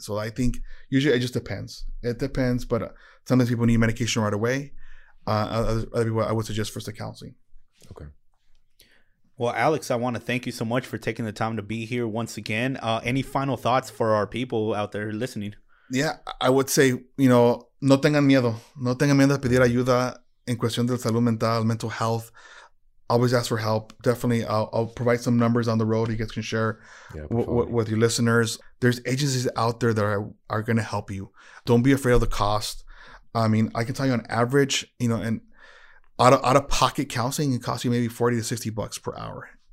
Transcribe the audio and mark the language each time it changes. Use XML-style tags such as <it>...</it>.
<en>So I think usually it just depends. It depends, but sometimes people need medication right away. Other people, I would suggest first the counseling. Okay. Well, Alex, I want to thank you so much for taking the time to be here once again. Any final thoughts for our people out there listening? Yeah, I would say, you know,</en> <es>no tengan miedo. No tengan miedo a pedir ayuda en cuestión de salud mental,</es> <en>mental health. Always ask for help. Definitely, I'll provide some numbers on the road you guys can share with your listeners. There's agencies out there that are going to help you. Don't be afraid of the cost. I mean, I can tell you on average, you know, and out of pocket counseling can cost you maybe $40 to $60 per hour.</en>